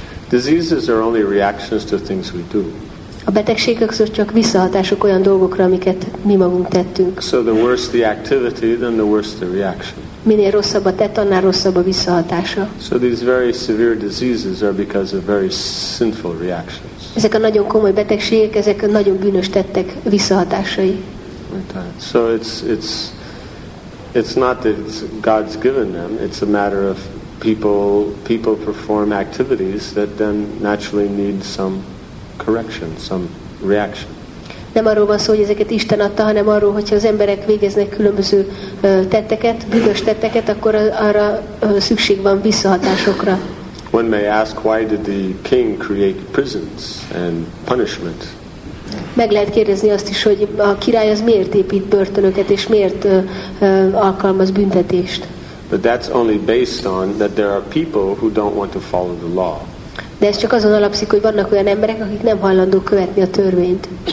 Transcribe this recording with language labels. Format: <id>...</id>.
<en>Diseases are only reactions to things we do.</en> <hu>A betegségek csak visszahatások olyan dolgokra, amiket mi magunk tettünk.</hu> <en>So the worse the activity, then the worse the reaction.</en> <hu>Minél rosszabb a tett, annál rosszabb a visszahatása.</hu> <en>So these very severe diseases are because of very sinful reactions.</en> <hu>Ezek a nagyon komoly betegségek, ezek a nagyon bűnös tettek visszahatásai.</hu> <en>So it's not that God's given them, it's a matter of people perform activities that then naturally need some correction, some reaction.</en> <hu>Nem arról van szó, hogy ezeket Isten adta, hanem arról, hogyha az emberek végeznek különböző tetteket, bűnös tetteket, akkor arra szükség van visszahatásokra.</hu> <en>One may ask, why did the king create prisons and punishment?</en> <hu>Meg lehet kérdezni azt is, hogy a király az miért épít börtönöket és miért alkalmaz büntetést?</hu> <en>But that's only based on that there are people who don't want to follow the law.</en> <hu>De ez csak azon alapszik, hogy vannak olyan emberek, akik nem hajlandók követni a törvényt.</hu>